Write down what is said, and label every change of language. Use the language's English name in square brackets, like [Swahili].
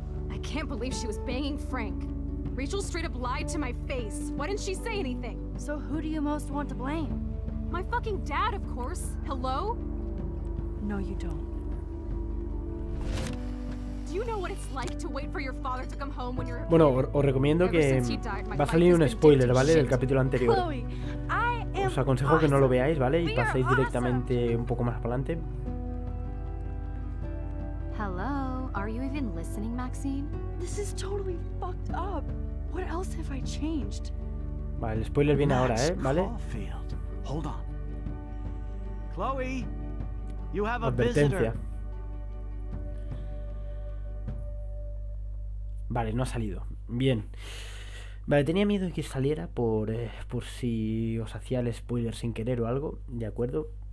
[English] I can't believe she was banging Frank. Rachel straight up lied to my face. Why didn't she say anything? So who do you most want to blame? My fucking dad, of course. Hello? No, you don't. Do you know what it's like to wait for your father to come home when you're... [Spanish] Bueno, os recomiendo que va a salir un spoiler, ¿vale? Del capítulo anterior. Os aconsejo que no lo veáis, ¿vale? Y paséis directamente un poco más para adelante. [English] Hello, are you even listening, Maxine? This is totally fucked up. What else have I changed? [Spanish] Vale, el spoiler viene ahora, ¿eh? ¿Vale? [English] Hold on. Chloe, you have a [Spanish] advertencia. Vale, no ha salido. Bien. Vale, tenía miedo de que saliera por si os hacía el spoiler sin querer o algo, ¿de acuerdo?